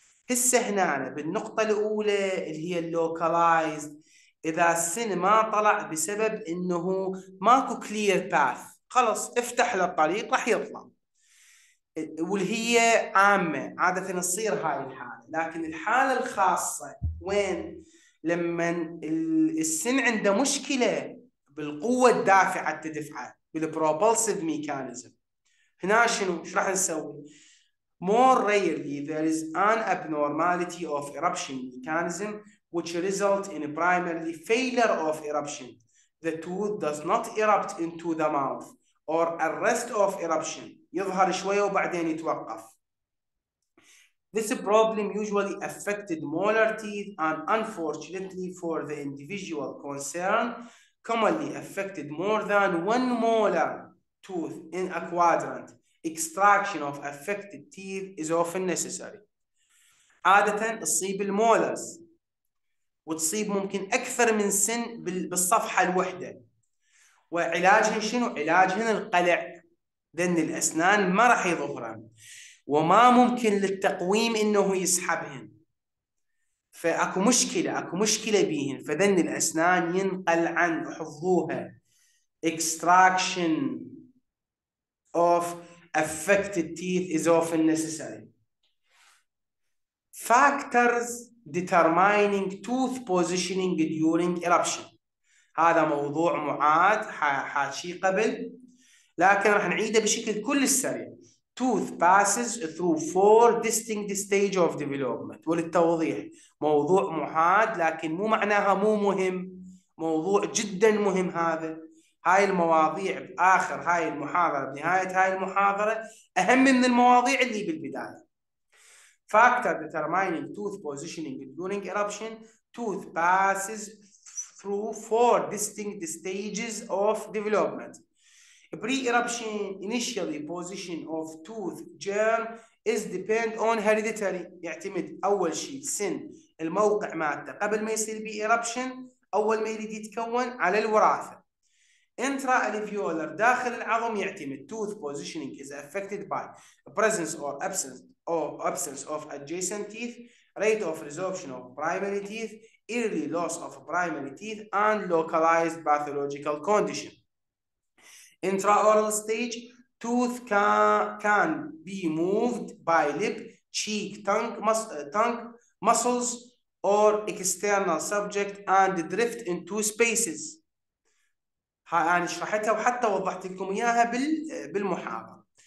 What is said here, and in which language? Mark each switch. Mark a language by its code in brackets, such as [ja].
[ar] هسه هنا بالنقطه الاولى اللي هي اللوكلايزد، اذا السن ما طلع بسبب انه ماكو كلير باث، خلص افتح له الطريق راح يطلع، واللي هي عامة عادة تصير هاي الحالة. لكن الحالة الخاصة وين؟ لما السن عنده مشكلة بالقوة الدافعة التدفعة بالبروبلسيف ميكانيزم، هنا شنو؟ ايش راح نسوي؟ [en] More rarely there is an abnormality of eruption mechanism which result in a primarily failure of eruption. The tooth does not erupt into the mouth or arrest of eruption. [ar] يظهر شوية وبعدين يتوقف. [en] This problem usually affected molar teeth and unfortunately for the individual concerned commonly affected more than one molar tooth in a quadrant. Extraction of affected teeth is often necessary. [ar] عادة تصيب المولرز وتصيب ممكن أكثر من سن بالصفحة الوحدة. وعلاجهن شنو؟ علاجهن القلع، لأن الأسنان ما راح يظهرن وما ممكن للتقويم إنه يسحبهن. فأكو مشكلة، أكو مشكلة بيهن، فذن الأسنان ينقل عن، حفظوها، [en] extraction of affected teeth is often necessary. Factors determining tooth positioning during eruption. [ar] هذا موضوع معاد حاشي قبل، لكن راح نعيده بشكل كل سريع. [en] Tooth passes through four distinct stages of development. [ar] وللتوضيح، موضوع معاد لكن مو معناها مو مهم، موضوع جدا مهم. هذا هاي المواضيع بآخر هاي المحاضرة، بنهاية هاي المحاضرة، أهم من المواضيع اللي بالبداية. [en] Factor determining tooth positioning during eruption. Tooth passes through four distinct stages of development. Pre-eruption initially position of tooth germ is depend on hereditary. [ar] يعتمد أول شيء سن الموقع مالته قبل ما يصير بي eruption، أول ما يريد يتكون، على الوراثة. Intra alveolar داخل العظم يعتمد. [en] Tooth positioning is affected by presence or absence of adjacent teeth, rate of resorption of primary teeth, early loss of primary teeth, and localized pathological condition. Intraoral stage, tooth can be moved by lip, cheek, tongue muscles, or external subject and drift into spaces. [ar] هاي انا شرحتها وحتى وضحت لكم اياها بالمحاضره.